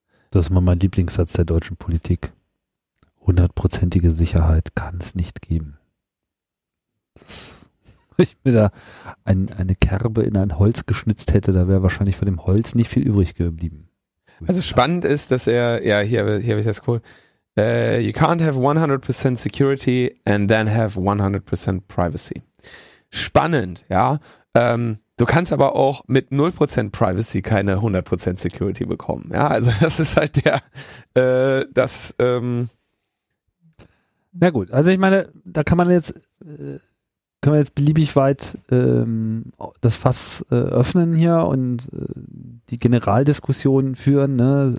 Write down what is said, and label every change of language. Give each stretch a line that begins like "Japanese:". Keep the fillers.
German: Das ist mal mein Lieblingssatz der deutschen Politik. Hundertprozentige Sicherheit kann es nicht geben. wenn ich mir da ein, eine Kerbe in ein Holz geschnitzt hätte, da wäre wahrscheinlich von dem Holz nicht viel übrig geblieben. Ich also spannend sein. ist, dass er, ja, hier, hier habe ich das cool.
English: Uh, you can't have 100% security and then have 100% privacy.
German: Spannend, ja. Ähm, du kannst aber auch mit 0% Privacy keine 100% Security bekommen. Ja, also das ist halt der, äh, das. Ähm Na gut, also ich meine, da kann man jetzt, äh, kann man jetzt beliebig weit äh, das Fass öffnen hier und die Generaldiskussion führen. Ne?